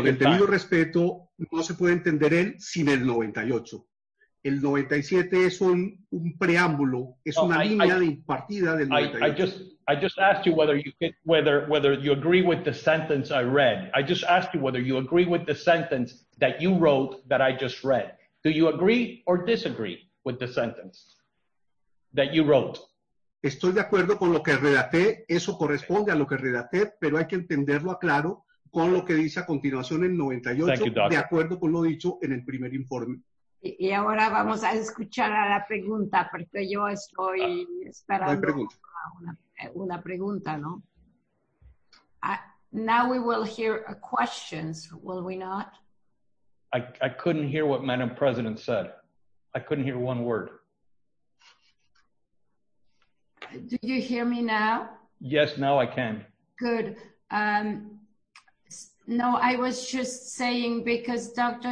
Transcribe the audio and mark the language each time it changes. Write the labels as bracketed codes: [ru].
[es] con el debido respeto, no se puede entender él sin el 98. El 97 es un preámbulo, es una línea de partida del 98. [en] I just asked you whether you agree with the sentence I read. I just asked you whether you agree with the sentence that you wrote that I just read. Do you agree or disagree with the sentence that you wrote? [es] Estoy de acuerdo con lo que redacté, eso corresponde a lo que redacté, pero hay que entenderlo aclaro con lo que dice a continuación el 98, [en] thank you, doctor. [es] De acuerdo con lo dicho en el primer informe. Y ahora vamos a escuchar a la pregunta, porque yo estoy esperando una pregunta, ¿no? [en] Now we will hear questions, will we not? I couldn't hear what Madam President said. I couldn't hear one word. Do you hear me now? Yes, now I can. Good. No, I was just saying because Dr.